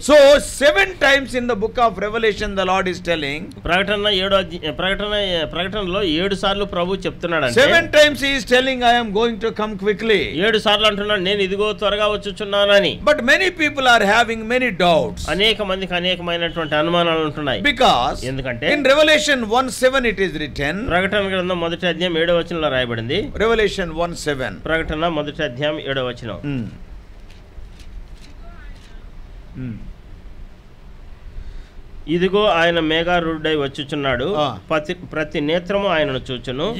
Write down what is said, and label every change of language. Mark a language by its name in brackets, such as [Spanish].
[English] So 7 times in the book of Revelation the Lord is telling. [Telugu] Prakatanalo 7 saarlu prabhu cheptunnadu ante [English] 7 times he is telling I am going to come quickly. [Telugu] 7 saarlu antunnadu nenu idigo twaraga vachuchunnanani. [English] But many people are having many doubts. [Telugu] అనేక మందికి అనేకమైనటువంటి అనుమానాలు ఉంటున్నాయి. [English] Because [Telugu] ఎందుకంటే [English] in Revelation 1:7 it is written. [Telugu] ప్రకటన గ్రంథం మొదటి అధ్యాయం 7వ వచనంలో రాయబడింది. [English] Revelation 1:7. [Telugu] ప్రకటన మొదటి అధ్యాయం 7వ వచనం. ఇదిగో ఆయన మేఘారూఢుడై వచ్చుచున్నాడు. ప్రతి నేత్రము ఆయనను చూచును.